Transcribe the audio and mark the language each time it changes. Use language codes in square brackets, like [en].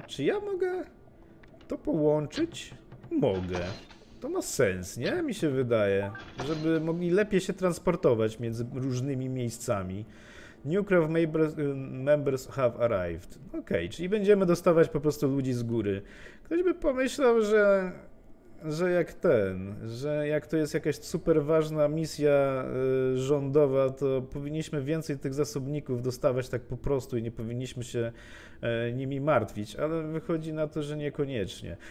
[pl] Czy ja mogę to połączyć? Mogę. To ma sens, nie? Mi się wydaje, żeby mogli lepiej się transportować między różnymi miejscami. [en] New crew members have arrived. [pl] Okej, czyli będziemy dostawać po prostu ludzi z góry. Ktoś by pomyślał, że jak to jest jakaś super ważna misja rządowa, to powinniśmy więcej tych zasobników dostawać tak po prostu i nie powinniśmy się nimi martwić, ale wychodzi na to, że niekoniecznie.